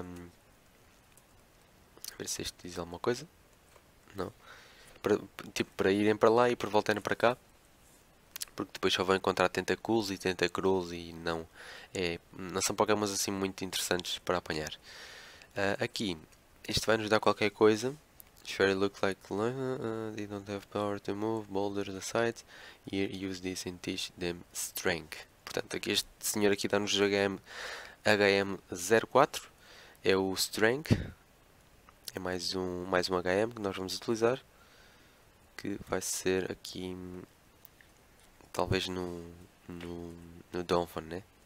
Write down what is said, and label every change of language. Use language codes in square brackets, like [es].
[pt] A ver se isto diz alguma coisa. Não. Tipo, para irem para lá e para voltarem para cá. Porque depois só vão encontrar Tentacools e Tentacruels e não. Não são Pokémons assim muito interessantes para apanhar. Aqui, isto vai nos dar qualquer coisa. [en] Sure look like they don't have power to move boulders aside. Here, use this and teach them strength. [pt] Portanto, aqui este senhor aqui dá-nos HM04. É o Strength. É mais um HM que nós vamos utilizar. Que vai ser aqui. Talvez no Donphan, né?